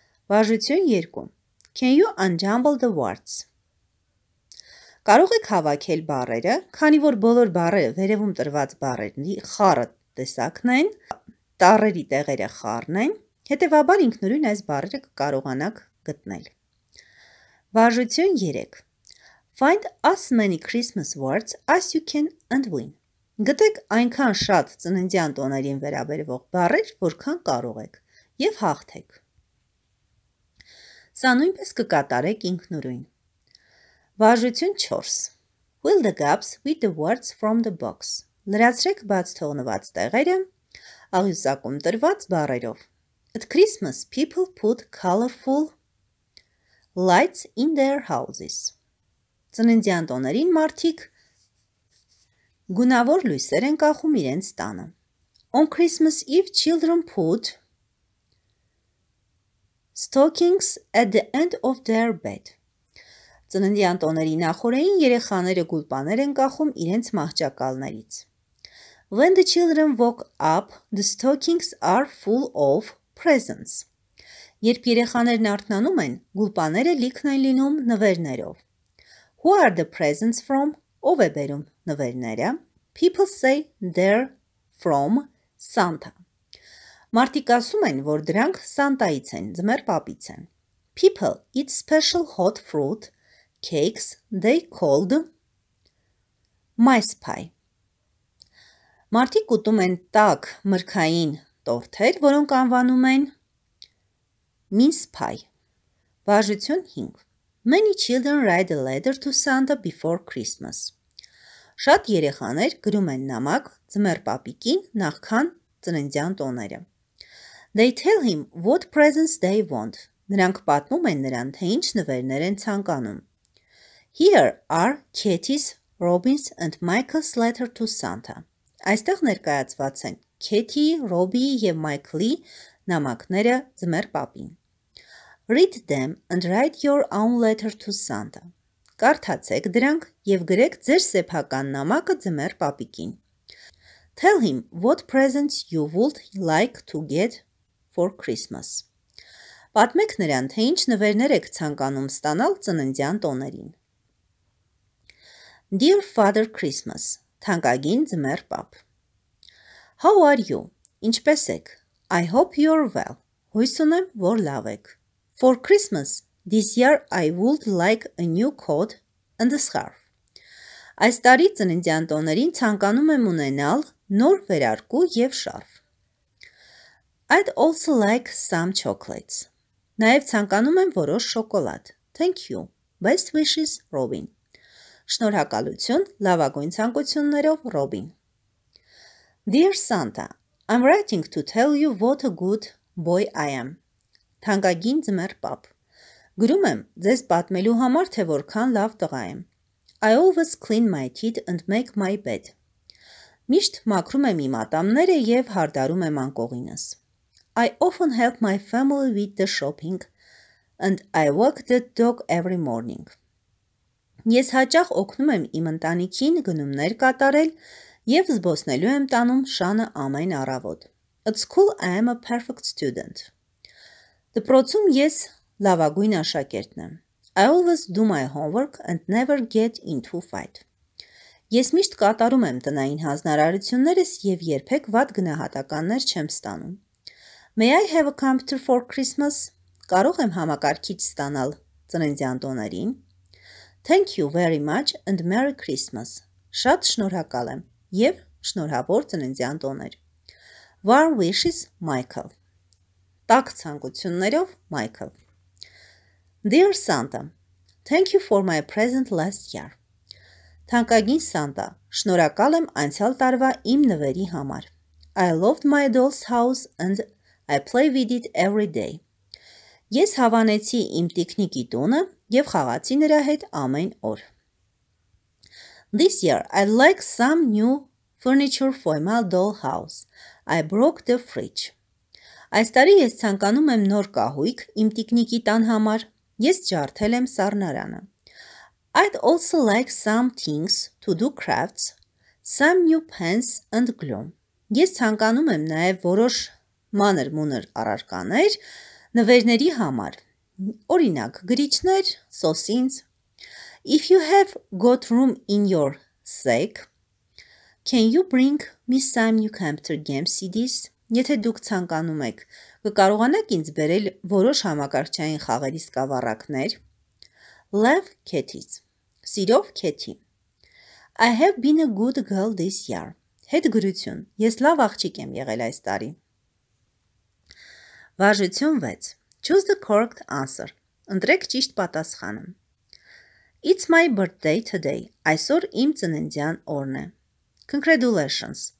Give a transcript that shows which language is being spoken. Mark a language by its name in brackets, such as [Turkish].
[Armenian] Վարժություն 2. [English] Can you unjumble the words? [Armenian] Կարող եք հավաքել բառերը, քանի որ բոլոր բառերը վերևում տրված բառերի խառը տեսակն են, տառերի տեղերը խառն են, հետևաբար ինքնուրույն այս բառերը կկարողանաք գտնել. Վարժություն 3. [English] Find as many Christmas words as you can and win. [Armenian] Գտեք այնքան շատ ծննդյան տոներին վերաբերվող բառեր, որքան կարող եք, եւ հաղթեք։ Սա նույնպես կկատարեք ինքնուրույն։ Վարժություն 4. [English] Fill the gaps with the words from the box. [Armenian] Լրացրեք բաց թողնված տեղերը աղյուսակում տրված բառերով. [English] At Christmas, people put colorful lights in their houses. [Armenian] Ծննդյան տոներին մարդիկ գունավոր լույսեր են կախում իրենց տանը. [English] On Christmas Eve, children put stockings at the end of their bed. [Armenian] Ծննդյան տոների նախորեին երեխաները գուլպաներ են կախում իրենց մահճակալներից. [English] When the children woke up, the stockings are full of presents. [Armenian] Երբ երեխաներն արթնանում են, գուլպաները լիքն են լինում նվերներով. [English] Who are the presents from? [Armenian] Ով է բերում նվերները? [English] People say they're from Santa. [Armenian] Մարդիկ ասում են, որ դրանք Սանտայից են, ձմեռպապից են. [English] People eat special hot fruit. Cakes they called mice pie. [Armenian] Մարդիկ ուտում են տաք մրգային տորթեր, որոնք անվանում են [English] mince pie. [Armenian] Վարժություն 5. [English] Many children write a letter to Santa before Christmas. [Armenian] Շատ երեխաներ գրում են նամակ ձմեռպապիկին նախքան ծննդյան տոները. [English] They tell him what presents they want. [Armenian] Նրանք պատմում են նրան, թե ինչ նվերներ են ցանկանում. [English] Here are Katie's, Robin's and Michael's letter to Santa. [Armenian] Այստեղ ներկայացված են Katie, Robbie և Michael-ի նամակները ձմեռպապին. [English] Read them and write your own letter to Santa. [Armenian] Կարդացեք դրանք և գրեք ձեր սեփական նամակը ձմեռպապիկին. [English] Tell him what presents you would like to get for Christmas. [Armenian] Պատմեք նրան, թե ինչ նվերներ եք ցանկանում ստանալ ծննդյան տոներին. [English] Dear Father Christmas, [Armenian] թանկագին ձմեռպապ. [English] How are you? [Armenian] Ինչպե՞ս եք. [English] I hope you're well. [Armenian] Հույս ունեմ, որ լավ եք. [English] For Christmas, this year I would like a new coat and a scarf. [Armenian] Այս տարի ծննդյան տոներին ցանկանում եմ ունենալ նոր վերարկու և շարֆ. [English] I'd also like some chocolates. [Armenian] Նաև ցանկանում եմ որոշ շոկոլադ. [English] Thank you. Best wishes, Robin. [Armenian] Շնորհակալություն, լավագույն ցանկություններով, Ռոբին։ [English] Dear Santa, I'm writing to tell you what a good boy I am. [Armenian] Թանկագին ձմեռպապ։ Գրում եմ ձեզ պատմելու համար, թե որքան լավ տղա եմ։ [English] I always clean my teeth and make my bed. [Armenian] Միշտ մաքրում եմ իմ ատամները և հարդարում եմ անկողինս։ [English] I often help my family with the shopping and I walk the dog every morning. [Armenian] Ես հաճախ օգնում եմ իմ ընտանիքին գնումներ կատարել և զբոսնելու եմ տանում շանը ամեն առավոտ. [English] At school I am a perfect student. [Armenian] Դպրոցում ես լավագույն աշակերտն եմ. [English] I always do my homework and never get into fight. [Armenian] Ես միշտ կատարում եմ տնային հանձնարարություններս և երբեք վատ գնահատականներ չեմ ստանում. [English] May I have a computer for Christmas? [Armenian] Կարող եմ համակարգիչ ստանալ ծննդյան տոներին. [English] Thank you very much and Merry Christmas. [Armenian] Շատ շնորհակալ եմ և շնորհավոր ծննդյան տոներ. [English] Warm wishes, Michael. [Armenian] Տաք ցանկություններով, [English] Michael. Dear Santa, thank you for my present last year. [Armenian] Թանկագին Սանտա, շնորհակալ եմ անցյալ տարվա իմ նվերի համար. [English] I loved my doll's house and I play with it every day. [Armenian] Ես հավանեցի իմ տիկնիկի տունը և խաղացի նրա հետ ամեն օր. [English] This year I like some new furniture for my doll house. I broke the fridge. [Armenian] Այս տարի ես ցանկանում եմ նոր կահույք իմ տիկնիկի տան համար. Ես ջարդել եմ սառնարանը. [English] I'd also like some things to do crafts, some new pens and glue. [Armenian] Ես ցանկանում եմ նաև որոշ մանր մունր առարկաներ նվերների համար, օրինակ գրիչներ, սոսինց. [English] If you have got room in your sack, can you bring me some new computer game CDs? [Armenian] Եթե դուք ցանկանում եք, կկարողանաք ինձ բերել որոշ համակարգչային խաղերի սկավառակներ? [English] Love, Katie's. [Armenian] Սիրով, [English] Katie. I have been a good girl this year. [Armenian] Հետ գրություն, ես լավ աղջիկ եմ եղել այս տարի. Վարժություն 6. [English] Choose the correct answer. [Armenian] Ընտրեք ճիշտ պատասխանը. [English] It's my birthday today. [Armenian] Այսօր իմ ծննդյան օրն է. [English] Congratulations.